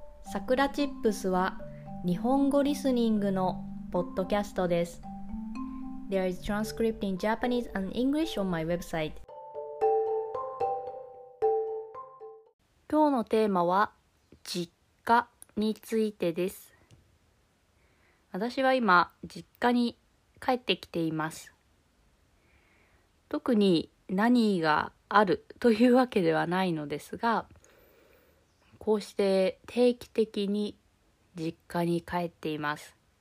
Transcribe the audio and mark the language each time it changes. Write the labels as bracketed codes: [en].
[ja] さくらチップスは日本語リスニングのポッドキャストです。 [en] There is transcript in Japanese and English on my website。 [ja] 今日のテーマは実家についてです。私は今実家に帰ってきています。特に何があるというわけではないのですが、こうして定期的に実家に帰っています。